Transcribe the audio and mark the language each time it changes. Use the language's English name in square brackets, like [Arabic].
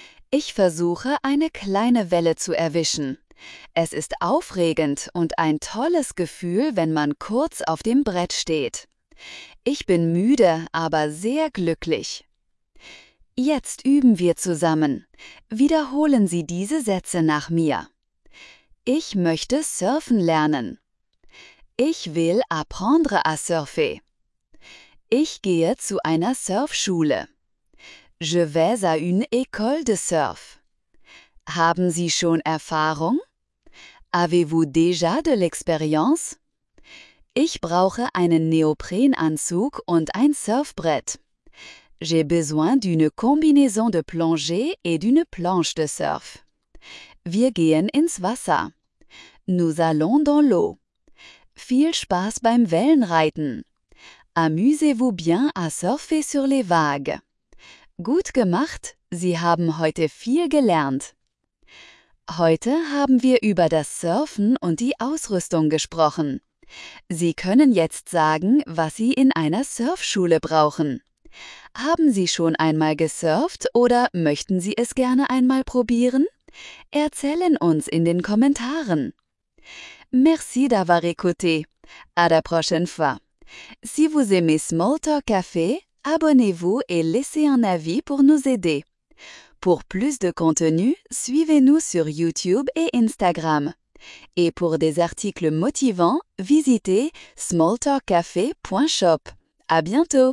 [German] Ich versuche, eine kleine Welle zu erwischen. Es ist aufregend und ein tolles Gefühl, wenn man kurz auf dem Brett steht. Ich bin müde, aber sehr glücklich. Jetzt üben wir zusammen. Wiederholen Sie diese Sätze nach mir. Ich möchte surfen lernen. Ich will [French] apprendre à surfer. [German] Ich gehe zu einer Surfschule. [French] Je vais à une école de surf. [German] Haben Sie schon Erfahrung? [French] Avez-vous déjà de l'expérience? [German] Ich brauche einen Neoprenanzug und ein Surfbrett. [French] J'ai besoin d'une combinaison de plongée et d'une planche de surf. [German] Wir gehen ins Wasser. [French] Nous allons dans l'eau. [German] Viel Spaß beim Wellenreiten. [French] Amusez-vous bien à surfer sur les vagues. [German] Gut gemacht, Sie haben heute viel gelernt. Heute haben wir über das Surfen und die Ausrüstung gesprochen. Sie können jetzt sagen, was Sie in einer Surfschule brauchen. Haben Sie schon einmal gesurft oder möchten Sie es gerne einmal probieren? Erzählen uns in den Kommentaren. [French] Merci d'avoir écouté. À la prochaine fois. Si vous aimez Small Talk Café, abonnez-vous et laissez un avis pour nous aider. Pour plus de contenu, suivez-nous sur YouTube et Instagram. Et pour des articles motivants, visitez smalltalkcafé.shop. À bientôt!